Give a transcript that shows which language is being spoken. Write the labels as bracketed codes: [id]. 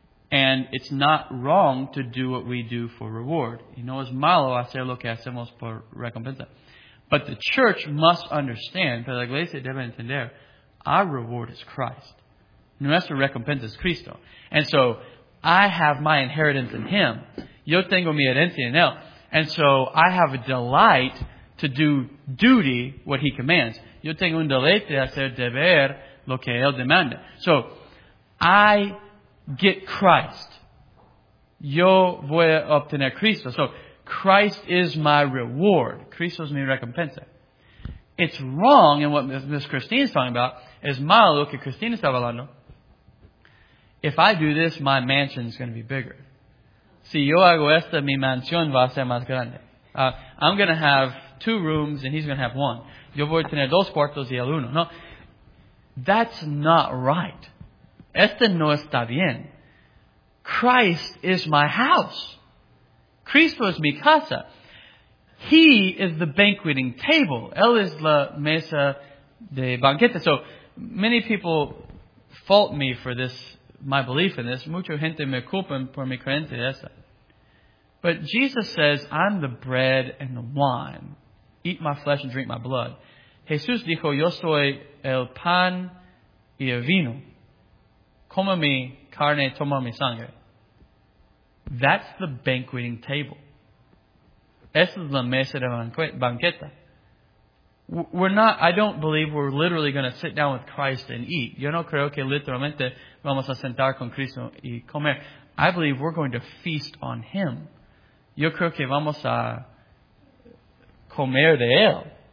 [en] And it's not wrong to do what we do for reward. [es] Y no es malo hacer lo que hacemos por recompensa. [en] But the church must understand, [es] pero la iglesia debe entender, [en] our reward is Christ. [es] Nuestra recompensa es Cristo. [en] And so, I have my inheritance in Him. [es] Yo tengo mi herencia en Él. [en] And so, I have a delight to do duty what He commands. [es] Yo tengo un deleite de hacer deber lo que Él demanda. [en] So, I get Christ. [es] Yo voy a obtener Cristo. [en] So, Christ is my reward. [es] Cristo es mi recompensa. [en] It's wrong, and what Ms. Christine is talking about, [es] es malo que Christine está hablando. [en] If I do this, my mansion is going to be bigger. [es] Si yo hago esto, mi mansión va a ser más grande. [en] I'm going to have two rooms, and he's going to have one. [es] Yo voy a tener dos cuartos y el uno. [en] No, that's not right. [es] Este no está bien. [en] Christ is my house. [es] Cristo es mi casa. [en] He is the banqueting table. [es] Él es la mesa de banquete. [en] So many people fault me for this, my belief in this. [es] Mucha gente me culpa por mi creencia de esa. [en] But Jesus says, I'm the bread and the wine. Eat my flesh and drink my blood. [es] Jesús dijo, yo soy el pan y el vino. Come mi carne, toma mi sangre. [en] That's the banqueting table. [es] Esa es la mesa de banqueta. [en] We're not, I don't believe we're literally going to sit down with Christ and eat. [es] Yo no creo que literalmente vamos a sentar con Cristo y comer. [en] I believe we're going to feast on Him. [es] Yo creo que vamos a comer de Él.